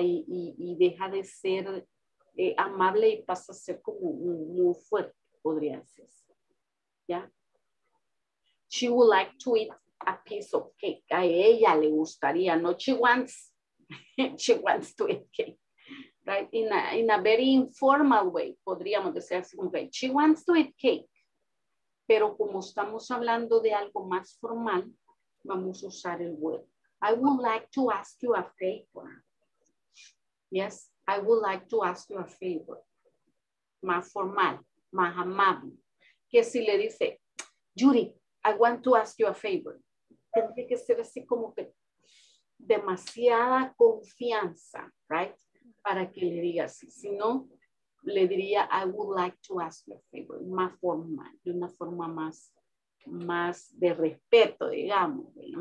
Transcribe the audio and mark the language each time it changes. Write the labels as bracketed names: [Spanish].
[Spanish] Y deja de ser amable y pasa a ser como muy fuerte, podría decir. ¿Ya? [English] She would like to eat a piece of cake. [Spanish] A ella le gustaría, no, [English] she wants to eat cake. Right? In a very informal way, [Spanish] podríamos decir así, [English] okay, she wants to eat cake. [Spanish] Pero como estamos hablando de algo más formal, vamos a usar el word. [English] I would like to ask you a favor. Yes? I would like to ask you a favor. [Spanish] Más formal, más amable. Que si le dice, Yuri, [English] I want to ask you a favor. [Spanish] Tiene que ser así como que demasiada confianza, [English] right? [Spanish] Para que le diga así. Si no, le diría, [English] I would like to ask you a favor. [Spanish] Más formal, de una forma más de respeto, digamos, ¿verdad?